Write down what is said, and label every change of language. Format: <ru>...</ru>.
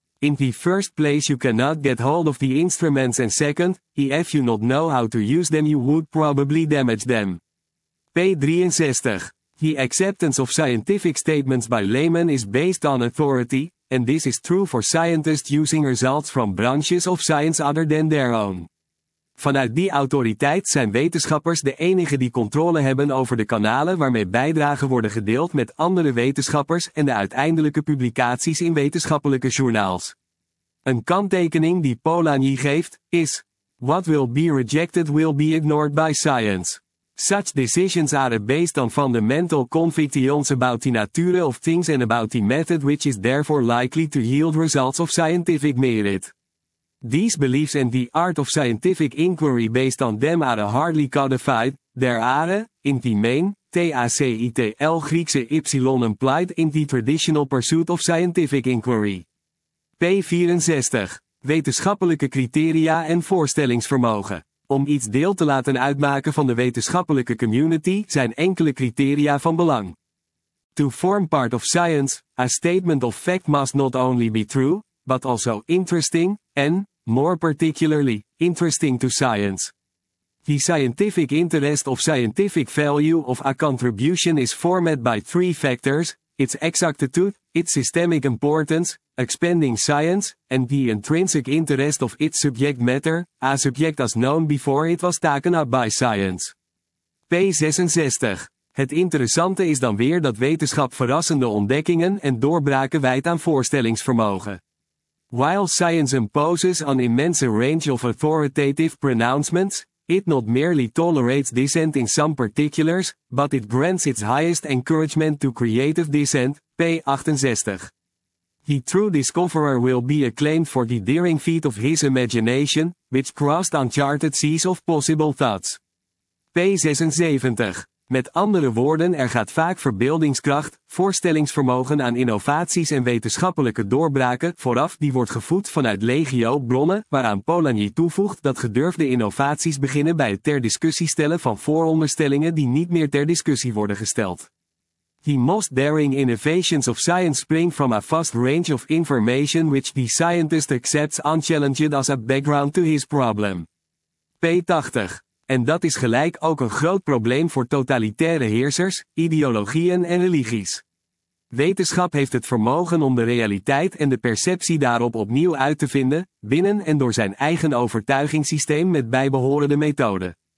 <en>In the first place you cannot get hold of the instruments and second, if you not know how to use them you would probably damage them. p. 63. The acceptance of scientific statements by laymen is based on authority, and this is true for scientists using results from branches of science other than their own.</en> <nl>Vanuit die autoriteit zijn wetenschappers de enigen die controle hebben over de kanalen waarmee bijdragen worden gedeeld met andere wetenschappers en de uiteindelijke publicaties in wetenschappelijke journaals. Een kanttekening die Polanyi geeft, is:</nl> <en>What will be rejected will be ignored by science. Such decisions are based on fundamental convictions about the nature of things and about the method which is therefore likely to yield results of scientific merit. These beliefs and the art of scientific inquiry based on them are hardly codified, there are, in the main, tactical Griekse y implied in the traditional pursuit of scientific inquiry. P64.</en> <nl>Wetenschappelijke criteria en voorstellingsvermogen. Om iets deel te laten uitmaken van de wetenschappelijke community zijn enkele criteria van belang.</nl> <en>To form part of science, a statement of fact must not only be true, but also interesting, and, more particularly, interesting to science. The scientific interest of scientific value of a contribution is formed by three factors, its exactitude, its systemic importance, expanding science, and the intrinsic interest of its subject matter, a subject as known before it was taken up by science. P66.</en> <nl>Het interessante is dan weer dat wetenschap verrassende ontdekkingen en doorbraken wijdt aan voorstellingsvermogen.</nl> <en>While science imposes an immense range of authoritative pronouncements, it not merely tolerates dissent in some particulars, but it grants its highest encouragement to creative dissent, p. 68. The true discoverer will be acclaimed for the daring feat of his imagination, which crossed uncharted seas of possible thoughts. p. 76.</en> <nl>Met andere woorden, er gaat vaak verbeeldingskracht, voorstellingsvermogen aan innovaties en wetenschappelijke doorbraken vooraf die wordt gevoed vanuit legio bronnen, waaraan Polanyi toevoegt dat gedurfde innovaties beginnen bij het ter discussie stellen van vooronderstellingen die niet meer ter discussie worden gesteld.</nl> <en>The most daring innovations of science spring from a vast range of information which the scientist accepts unchallenged as a background to his problem. p. 80.</en> <nl>En dat is gelijk ook een groot probleem voor totalitaire heersers, ideologieën en religies. Wetenschap heeft het vermogen om de realiteit en de perceptie daarop opnieuw uit te vinden, binnen en door zijn eigen overtuigingssysteem met bijbehorende methode.</nl>